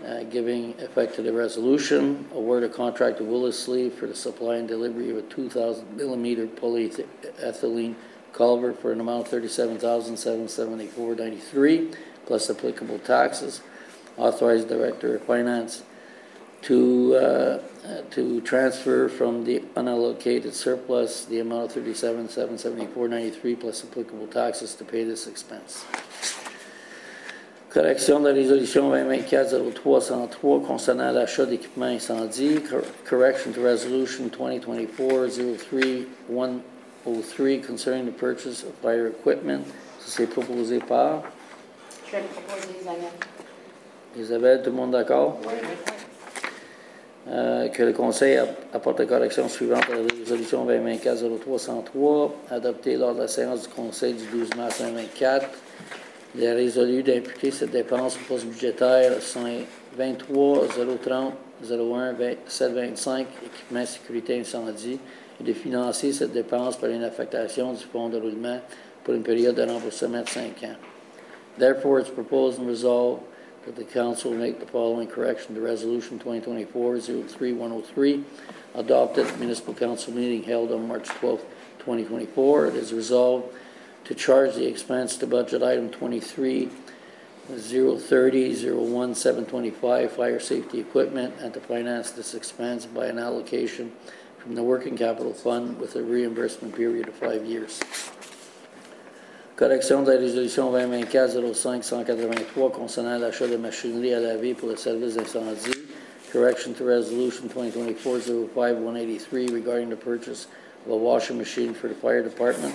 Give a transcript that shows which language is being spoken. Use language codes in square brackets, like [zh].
[en] Giving effect to the resolution, award a contract to Wallace-Lee for the supply and delivery of a 2,000 millimeter polyethylene culvert for an amount of $37,774.93 plus applicable taxes. Authorize Director of Finance to transfer from the unallocated surplus the amount of $37,774.93 plus applicable taxes to pay this expense. [fr] Correction de la résolution 2024-03-103 concernant l'achat d'équipement incendie. [en] Correction to resolution 2024-03-103 concerning the purchase of fire equipment. [fr] Ça, c'est proposé par? Je vais le proposer, Isabelle. Isabelle, tout le monde d'accord? Oui. Que le conseil apporte la correction suivante à la résolution 2024-03-103 adoptée lors de la séance du conseil du 12 mars 2024. Il a résolu d'imputer cette dépense au poste budgétaire 123-030-01-725 équipement sécurité incendie et de financer cette dépense par une affectation du fonds de roulement pour une période de remboursement de 5 ans. [en] Therefore, it's proposed and resolved that the Council make the following correction to Resolution 2024-03-103 adopted at the Municipal Council meeting held on March 12, 2024. It is resolved to charge the expense to budget item 23-030-01-725, fire safety equipment, and to finance this expense by an allocation from the working capital fund with a reimbursement period of 5 years. [fr] Correction de la résolution 2024-05-183 concernant l'achat de machinerie à laver pour le service d'incendie. [en] Correction to resolution 2024-05-183 regarding the purchase of a washing machine for the fire department.